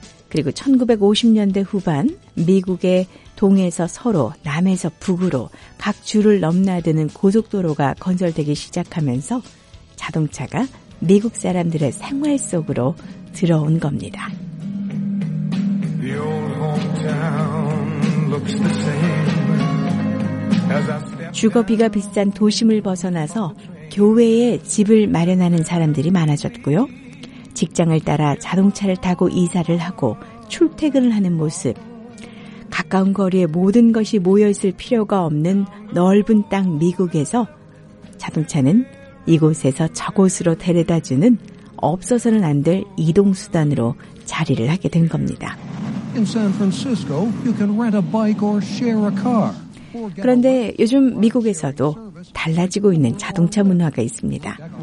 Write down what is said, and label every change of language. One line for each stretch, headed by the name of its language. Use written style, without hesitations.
Korean: 그리고 1950년대 후반 미국의 동에서 서로, 남에서 북으로 각 주를 넘나드는 고속도로가 건설되기 시작하면서 자동차가 미국 사람들의 생활 속으로 들어온 겁니다.
English: The old hometown looks the same.
Korean: 주거비가 비싼 도심을 벗어나서 교외에 집을 마련하는 사람들이 많아졌고요. 직장을 따라 자동차를 타고 이사를 하고 출퇴근을 하는 모습. 가까운 거리에 모든 것이 모여있을 필요가 없는 넓은 땅 미국에서 자동차는 이곳에서 저곳으로 데려다주는 없어서는 안 될 이동수단으로 자리를 하게 된 겁니다.
English: In San Francisco, you can rent a bike or share a car.
Korean: 그런데 요즘 미국에서도 달라지고 있는 자동차 문화가 있습니다.